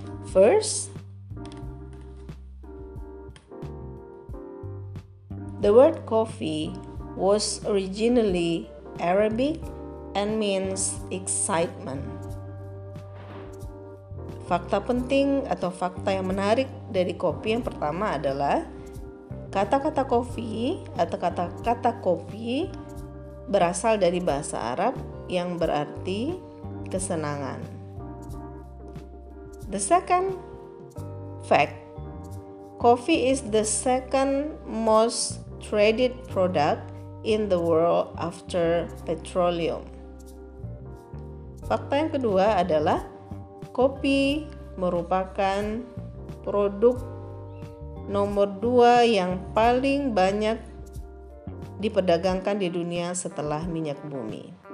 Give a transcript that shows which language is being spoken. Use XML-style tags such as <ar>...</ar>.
<en>First, the word coffee was originally Arabic and means excitement.</en> <id>Fakta penting atau fakta yang menarik dari kopi yang pertama adalah kata-kata kopi atau kata-kata kopi berasal dari bahasa Arab yang berarti kesenangan.</id> <en>The second fact, coffee is the second most traded product in the world after petroleum.</en> <id>Fakta yang kedua adalah kopi merupakan produk nomor 2 yang paling banyak diperdagangkan di dunia setelah minyak bumi.</id>